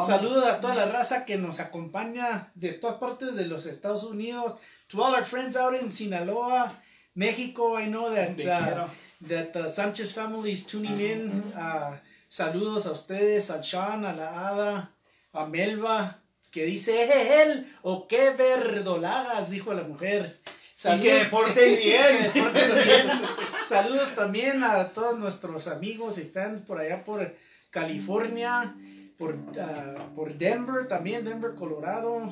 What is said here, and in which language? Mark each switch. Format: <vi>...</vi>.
<es>Saludos a toda la raza que nos acompaña de todas partes de los Estados Unidos.</es> <en>To all our friends out in Sinaloa. Mexico, I know that the Sanchez family is tuning in.</en> <es>Saludos a ustedes, a Sean, a la Ada, a Melba, que dice, él, o qué verdolagas, dijo la mujer. Saludos. Y que deporte bien. Saludos también a todos nuestros amigos y fans por allá por California, por Denver, también Denver, Colorado.</es>